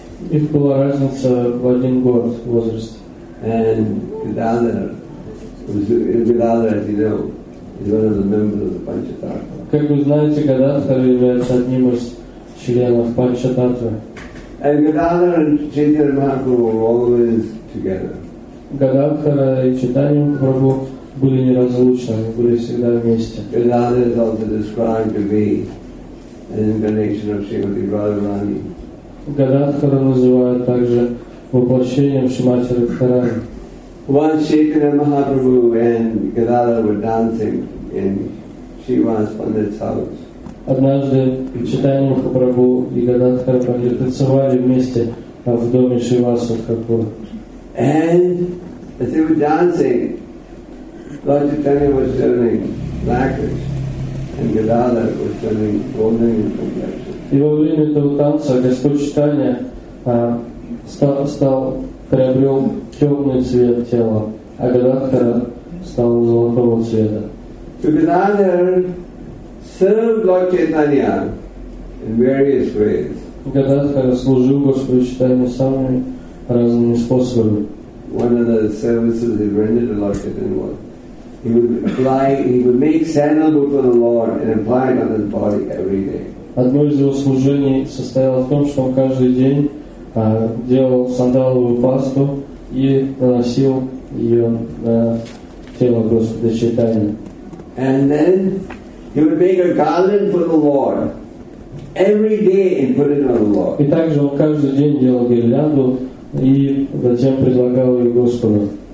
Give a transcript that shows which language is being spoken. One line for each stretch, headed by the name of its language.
Russian: Их была разница в один год, в возрасте.
English: And Gadadhar, as you know, is one of the members of the Panchatattva.
Russian: Как вы знаете, Гададхар является одним из членов Панчататвы.
English: And Gadadhar and Chaitanya Mahaprabhu were always together.
Russian: Гададхара и Чайтанья Махапрабху были неразлучны, они были всегда вместе.
English: Gadadhar is also described to be an incarnation of Srimati Radharani.
Russian: Gadadhara называют также воплощением Шримати Радхарани.
English: Once Chaitanya Mahaprabhu and Gadadhar were dancing in Shivas Pandit's house.
Russian: Однажды Чайтанья Махапрабху и Гададхара Пандит танцевали вместе в доме Шиваса Хакур.
English: And as they were dancing, Lord Chaitanya was turning blackish and Gadadhar was turning golden complexion.
Russian: И во время этого танца Господь Чайтанья стал приобрел темный цвет тела, а Гададхара стал золотого цвета.
English: So Gadadhar served Lord Chaitanya in various ways.
Russian: Гададхара служил Господу Чайтанье самыми разными способами.
English: One of the services he rendered to Lord Chaitanya was He would make sandalwood for the Lord and apply it on his body every day.
Russian: Одно из его служений состояло в том, что он каждый день делал сандаловую пасту и наносил ее на тело Господа Чайтаньи.
English: And then he would make a garland for the Lord every day and put it on the Lord.
Russian: И также он каждый день делал гирлянду и затем предлагал ее Господу.